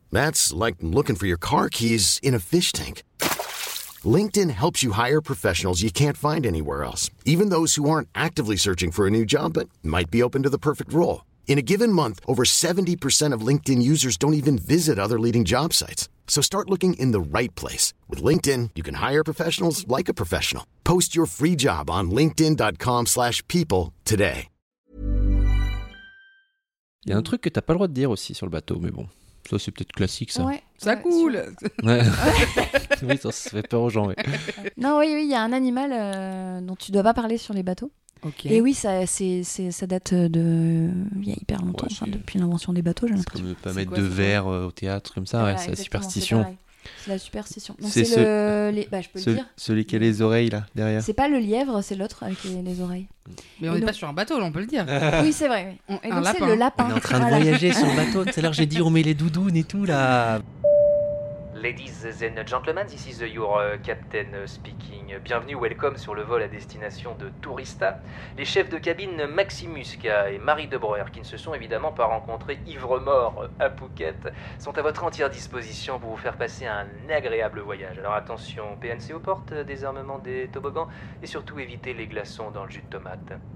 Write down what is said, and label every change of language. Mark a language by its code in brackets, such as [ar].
[en] That's like looking for your car keys in a fish tank. LinkedIn helps you hire professionals you can't find anywhere else, even those who aren't actively searching for a new job but might be open to the perfect role. In a given month, over 70% of LinkedIn users don't even visit other leading job sites. So start looking in the right place. With LinkedIn, you can hire professionals like a professional. Post your free job on linkedin.com/people today. [fr] Il y a un truc que t'as pas le droit de dire aussi sur le bateau, mais bon, ça c'est peut-être classique ça. Ouais, ça coule. Ouais. Oui, ça fait peur aux gens. Ouais. Non, oui, il y a un animal dont tu dois pas parler sur les bateaux. Okay. Et oui, ça date de il y a hyper longtemps, ouais, depuis l'invention des bateaux, j'ai l'impression. C'est comme pas mettre deux verres au théâtre comme ça, c'est la superstition. C'est la superstition. Donc c'est le... je peux le dire. Celui qui a les oreilles là derrière. C'est pas le lièvre, c'est l'autre avec les oreilles. Mais on n'est pas sur un bateau, là, on peut le dire. Oui, c'est vrai. Oui. Et donc c'est le lapin. On est en train de voyager sur le bateau. Tout à l'heure, j'ai dit on met les doudounes et tout là. [en] Ladies and gentlemen, this is your captain speaking. [fr] Bienvenue, welcome sur le vol à destination de Tourista. Les chefs de cabine Maximuska et Marie De Breuer, qui ne se sont évidemment pas rencontrés ivre-mort à Phuket, sont à votre entière disposition pour vous faire passer un agréable voyage. Alors attention, PNC aux portes, désarmement des toboggans, et surtout évitez les glaçons dans le jus de tomate.